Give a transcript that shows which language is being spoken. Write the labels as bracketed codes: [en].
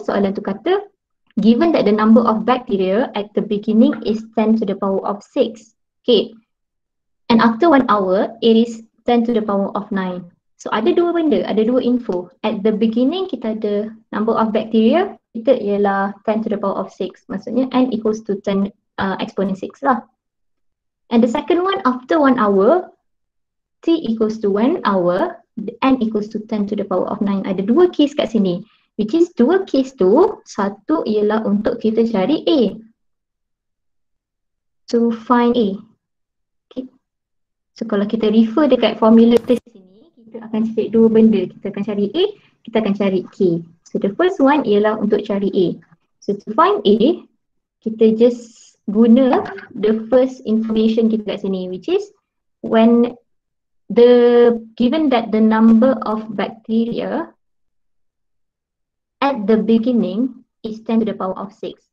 [ms] Soalan tu kata, [en] given that the number of bacteria at the beginning is 10 to the power of 6. Okay. And after 1 hour, it is 10 to the power of 9. [ms] So ada dua benda, ada dua info. [en] At the beginning, [ms] kita ada [en] number of bacteria. [ms] Kita ialah 10 [en] to the power of 6. [ms] Maksudnya [en] n equals to 10 exponent 6 [ms] lah. [en] And the second one, after 1 hour, t equals to 1 hour, n equals to 10 to the power of 9. [ms] Ada dua case kat sini. [en] Which is [ms] dua case tu, satu ialah untuk kita cari A. [en] To find A. So [ms] kalau kita refer dekat formula kita sini, kita akan cari dua benda. Kita akan cari A, kita akan cari K. [en] So the first one [ms] ialah untuk cari A. [en] So to find A, [ms] kita just guna [en] the first information [ms] kita kat sini, [en] which is when the, given that the number of bacteria at the beginning is 10 to the power of 6.